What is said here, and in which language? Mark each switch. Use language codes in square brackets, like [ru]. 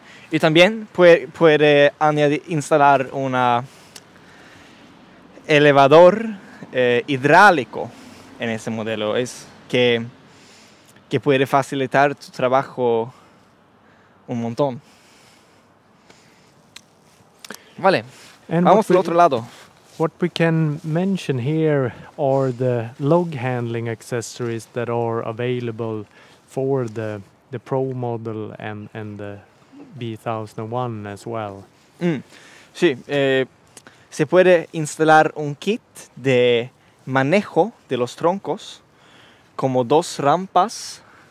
[es] Y también puede instalar un elevador hidráulico en ese modelo, es que puede facilitar tu trabajo un montón. Vale. [en] And [es] vamos al otro lado. [en] What we can mention here are the log handling accessories that are available for the Pro model and the B1001 as well. Mm. [es] Sí, se puede instalar un kit de manejo de los troncos, como dos rampas.